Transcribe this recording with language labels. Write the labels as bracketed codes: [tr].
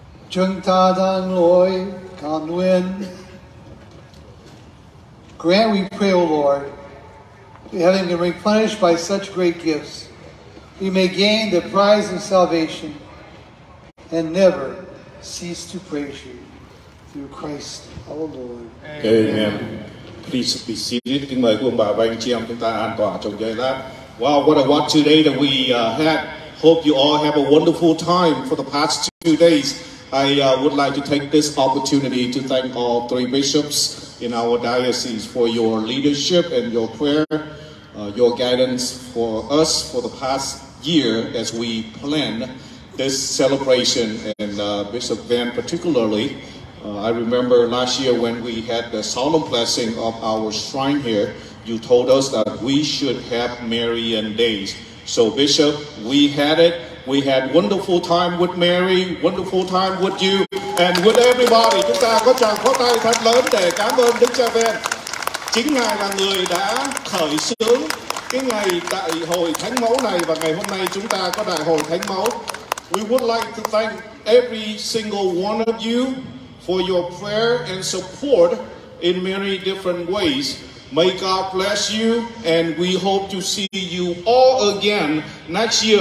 [vi] Chúng ta đang lối cảm nguyện. [en] Grant, we pray, O Lord, having been replenished by such great gifts, we may gain the prize of salvation and never cease to praise you through Christ our Lord. Amen. Please be seated. [vi] Kính mời ông bà và anh chị em chúng ta an toàn trong giây lát. [en] Wow, what a wonderful day that we had. Hope you all have a wonderful time for the past 2 days. I would like to take this opportunity to thank all 3 bishops in our diocese for your leadership and your prayer, your guidance for us for the past year as we plan this celebration. And Bishop Van particularly, I remember last year when we had the solemn blessing of our shrine here, you told us that we should have Marian days. So Bishop, we had it. We had wonderful time with Mary, wonderful time with you, and with everybody. [vi] Chúng ta có tràng pháo tay thật lớn để cảm ơn Đức Cha Ben. Chính Ngài là người đã khởi xướng cái ngày đại hội Thánh Mẫu này, và ngày hôm nay chúng ta có đại hội Thánh Mẫu. [en] We would like to thank every single one of you for your prayer and support in many different ways. May God bless you, and we hope to see you all again next year.